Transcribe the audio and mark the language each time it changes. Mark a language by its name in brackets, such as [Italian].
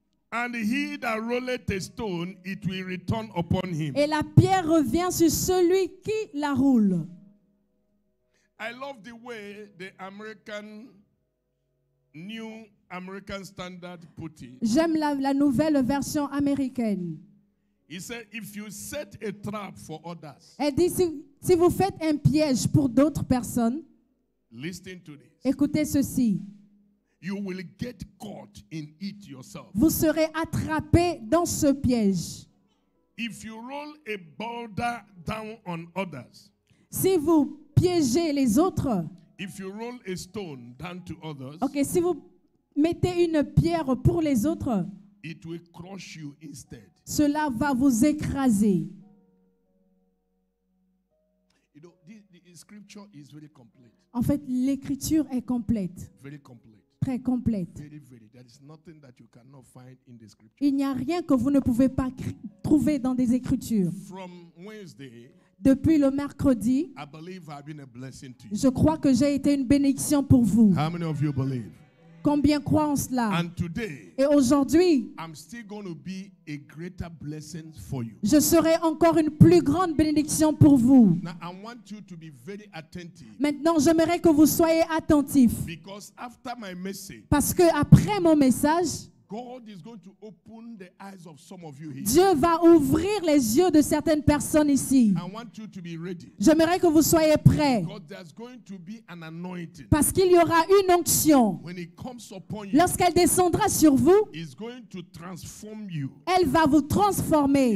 [English] And he that rolleth a stone, it will return upon him. [French] Et la pierre revient sur celui qui la roule. [English] I love the way the American, New American Standard put it. [French] J'aime la nouvelle version américaine. [English] He said, if you set a trap for others. [French] Elle dit, si vous faites un piège pour d'autres personnes. [English] Listen to this. [French] Écoutez ceci. [English] You will get caught in it yourself. [French] Vous serez attrapé dans ce piège. [English] If you roll a boulder down on others. [French] Si vous piégez les autres. [English] If you roll a stone down to others. [French] Okay, si vous mettez une pierre pour les autres. [English] It will crush you instead. [French] Cela va vous écraser. [English] You know, the scripture is very complete. [French] En fait, l'écriture est complète. [English] Very complete. [French] Très complète. [English] Very. There is nothing that you cannot find in the scriptures. [French] Il n'y a rien que vous ne pouvez pas trouver dans des écritures. [English] From Wednesday, [French] depuis le mercredi, [English] I believe I've been a blessing to you. [French] Je crois que j'ai été une bénédiction pour vous. [English] How many of you believe? [French] Combien croient en cela? [English] And today, [French] et aujourd'hui, [English] I'm still going to be a greater blessing for you. [French] Je serai encore une plus grande bénédiction pour vous. [English] Now, I want you to be very attentive. [French] Maintenant, j'aimerais que vous soyez attentifs. [English] Because after my message, [French] parce que après mon message, [English] God is going to open the eyes of some of you here. [French] Dieu va ouvrir les yeux de certaines personnes ici. [English] I want you to be ready. [French] J'aimerais que vous soyez prêts. [English] Because there's going to be an anointing. [French] Parce qu'il y aura une onction. [English] When it comes upon you, [French] lorsqu'elle descendra sur vous, [English] it's going to transform you. [French] Elle va vous transformer.